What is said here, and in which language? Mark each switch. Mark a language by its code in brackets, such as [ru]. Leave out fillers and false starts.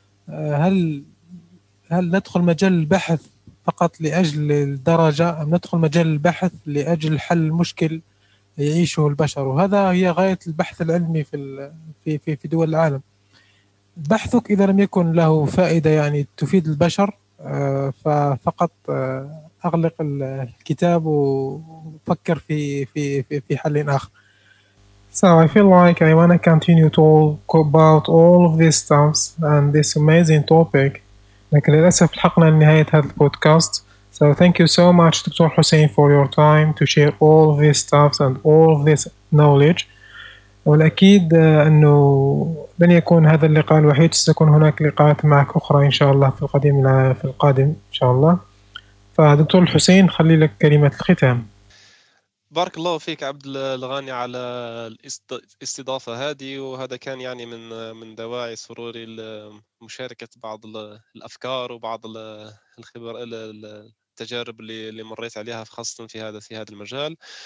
[ar] هل ندخل مجال البحث فقط لأجل الدرجة أم ندخل مجال البحث لأجل حل مشكل يعيشه البشر؟ وهذا هي غاية البحث العلمي في دول العالم. بحثك إذا لم يكن له فائدة يعني تفيد البشر فقط أغلق الكتاب وفكر في حل آخر. [en] So I feel like I want to continue to talk about all of these stuffs and this amazing topic. [ar] لكن للأسف لحقنا لنهاية هذا البودكاست. [en] So thank you so much Dr. Hussein for your time to share all of these stuffs and all of this knowledge. [ar] والأكيد أنه لن يكون هذا اللقاء الوحيد، ستكون هناك لقاءات معك أخرى إن شاء الله في القادم إن شاء الله. فدكتور حسين خلي لك كلمة الختام. بارك الله فيك عبد الغاني على الاستضافة هذه، وهذا كان يعني من دواعي سروري لمشاركة بعض الأفكار وبعض الخبر التجارب اللي مريت عليها خاصة في هذا المجال.